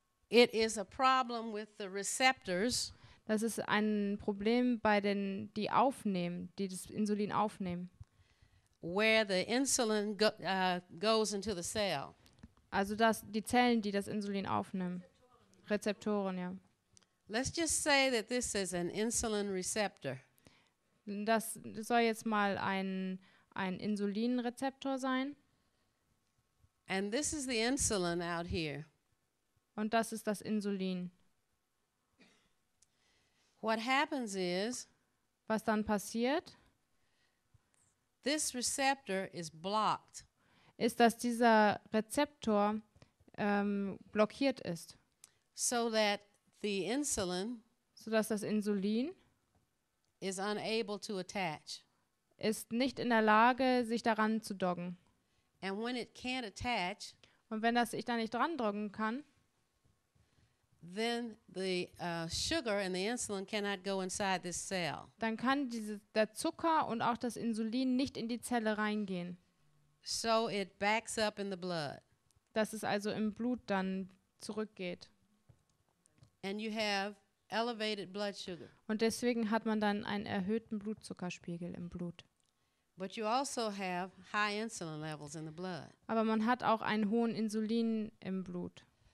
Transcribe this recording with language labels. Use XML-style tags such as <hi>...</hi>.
<en>It is a problem with the receptors.</en> <de>Das ist ein Problem bei den, die aufnehmen, die das Insulin aufnehmen.</de> <en>Where the insulin goes into the cell.</en> <de>Also dass die Zellen, die das Insulin aufnehmen. Rezeptoren, ja.</de> <en>Let's just say that this is an insulin receptor.</en> <de>Das soll jetzt mal ein Insulinrezeptor sein.</de> <en>And this is the insulin out here.</en> <de>Und das ist das Insulin.</de> <en>What happens is,</en> <de>was dann passiert?</de> <en>This receptor is blocked.</en> <de>Ist, dass dieser Rezeptor blockiert ist.</de> <en>So that the insulin,</en> <de>so dass das Insulin</de> <en>is unable to attach.</en> <de>Ist nicht in der Lage, sich daran zu doggen.</de> <en>And when it can't attach,</en> <de>und wenn das sich da nicht dran doggen kann,</de> <en>then the sugar and the insulin cannot go inside this cell.</en> <de>Dann kann der Zucker und auch das Insulin nicht in die Zelle reingehen.</de> <en>So it backs up in the blood.</en> <de>Dass es also im Blut dann zurückgeht.</de> <en>And you have elevated blood sugar.</en> <de>Und deswegen hat man dann einen erhöhten Blutzuckerspiegel im Blut.</de> <en>But you also have high insulin levels in the blood.</en> <de>Aber man hat auch einen hohen Insulin im Blut.</de>